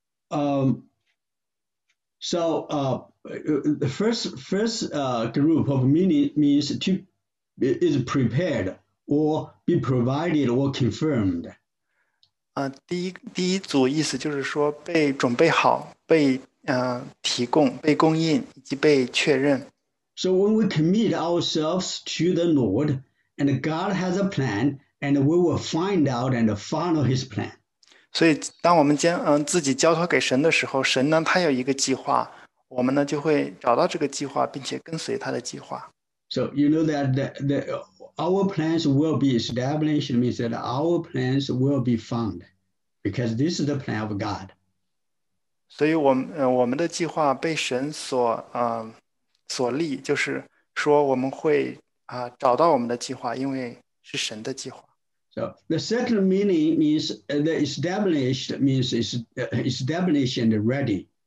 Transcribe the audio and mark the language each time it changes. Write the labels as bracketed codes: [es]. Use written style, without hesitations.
[en] The first group of meaning means to is prepared or be provided or confirmed. [zh] 第一组意思就是说被准备好，被提供，被供应，以及被确认。 [en] So when we commit ourselves to the Lord and God has a plan, and we will find out and follow his plan. [zh] 所以，当我们自己交托给神的时候，神呢，他有一个计划，我们呢就会找到这个计划，并且跟随他的计划。 [en] So you know that our plans will be established means that our plans will be found because this is the plan of God. [zh] 所以我们的计划被神所立，就是说我们会找到我们的计划，因为是神的计划。 [en] So the second meaning means the established means is established and ready.